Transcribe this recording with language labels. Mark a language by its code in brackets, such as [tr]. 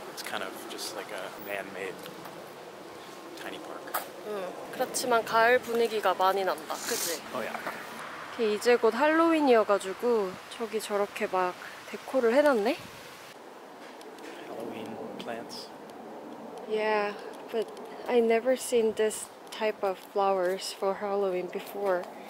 [en] It's kind of just like a man-made tiny park. [ko] 그렇지만 가을 분위기가 많이 난다. 그치? [en] Oh yeah. [ko] 이제 곧 할로윈이어가지고 저기 저렇게 막 데코를 해놨네. [en] Halloween plants. Yeah, but I never seen this type of flowers for Halloween before.